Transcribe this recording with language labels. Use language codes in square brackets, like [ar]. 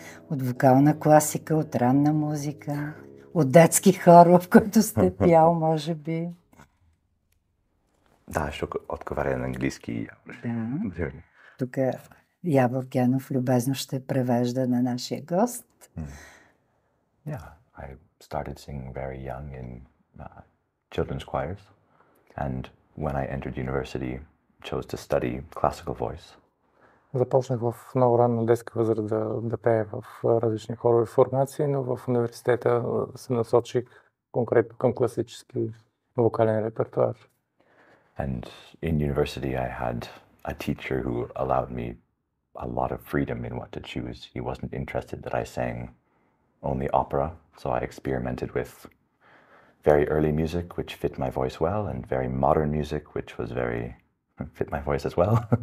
[bg] От вокална класика, от ранна музика, от детски хор, в който сте пял, може би. Да, ще отговаря на английски. Да. Тук Явор Генов любезно ще превежда на нашия гост. [en] Yeah, I started singing very young in children's choirs. And when I entered university, chose to study classical voice. [bg] Започнах в много ранна детска възраст да пея в различни хорови формации, но в университета се насочих конкретно към класически вокален репертуар. [en] And in university I had a teacher who allowed me a lot of freedom in what to choose. He wasn't interested that I sang only opera, so I experimented with very early music, which fit my voice well, and very modern music, which was very fit my voice as well.